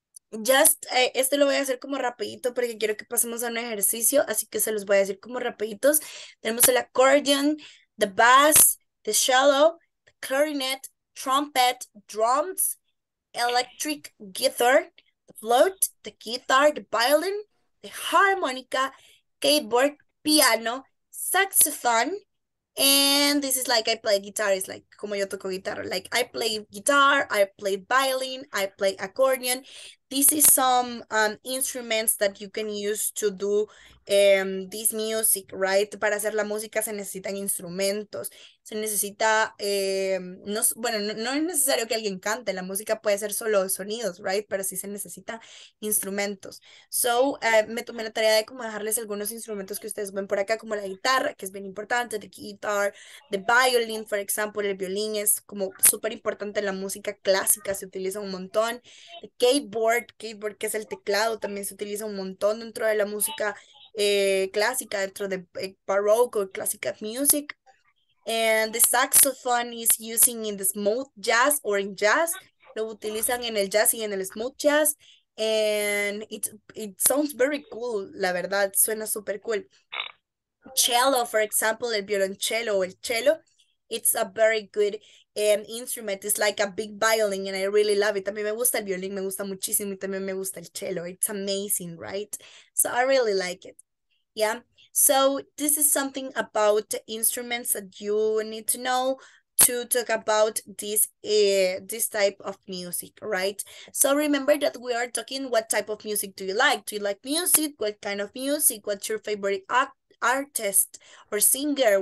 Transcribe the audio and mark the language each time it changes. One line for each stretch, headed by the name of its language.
Spanish: Just, esto lo voy a hacer como rapidito porque quiero que pasemos a un ejercicio, así que se los voy a decir como rapiditos.
English: Tenemos el accordion, the bass, the cello, the clarinet, trumpet, drums, electric guitar, the flute, the guitar, the violin, the harmonica, keyboard, piano, saxophone. And this is like, I play guitar, it's like,
Spanish: como yo toco guitarra.
English: Like, I play guitar, I play violin, I play accordion. This is some instruments that you can use to do this music, right?
Spanish: Para hacer la música se necesitan instrumentos. Se necesita, no es necesario que alguien cante. La música puede ser solo sonidos, right? Pero sí se necesita instrumentos. So, me tomé la tarea de como dejarles algunos instrumentos que ustedes ven por acá, como la guitarra, que es bien importante,
English: the guitar, the violin, for example,
Spanish: el violín es como súper importante en la música clásica, se utiliza un montón.
English: The keyboard,
Spanish: que es el teclado, también se utiliza un montón dentro de la música clásica, dentro de baroque o clásica music.
English: And the saxophone is using in the smooth jazz or in jazz.
Spanish: Lo utilizan en el jazz y en el smooth jazz.
English: And it sounds very cool,
Spanish: la verdad, suena super cool.
English: Cello, for example,
Spanish: el violonchelo o el cello,
English: it's a very good instrument. It's like a big violin and I really love it.
Spanish: También me gusta el violín, me gusta muchísimo y también me gusta el cello.
English: It's amazing, right? So I really like it, yeah? So this is something about instruments that you need to know to talk about this this type of music, right? So remember that we are talking, what type of music do you like? Do you like music? What kind of music? What's your favorite artist or singer?